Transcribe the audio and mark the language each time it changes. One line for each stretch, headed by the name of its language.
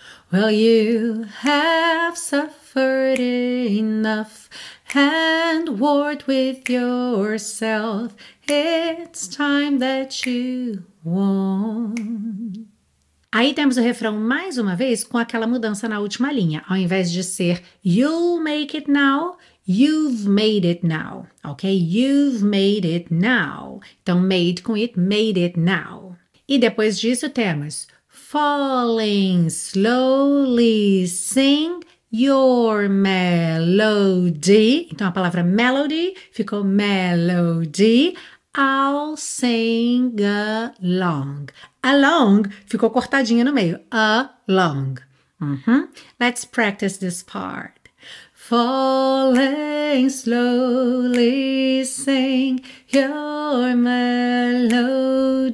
English: Well, you have suffered enough and warred with yourself. It's time that you won.
Portuguese: Aí temos o refrão mais uma vez com aquela mudança na última linha. Ao invés de ser
English: you'll make it now, you've made it now.
Portuguese: Ok?
English: You've made it now.
Portuguese: Então,
English: made com it, made it now.
Portuguese: E depois disso temos
English: falling slowly, sing your melody.
Portuguese: Então, a palavra melody ficou melody.
English: I'll sing along.
Portuguese: Along ficou cortadinha no meio.
English: Along. Uh-huh. Let's practice this part. Falling slowly, sing your melody.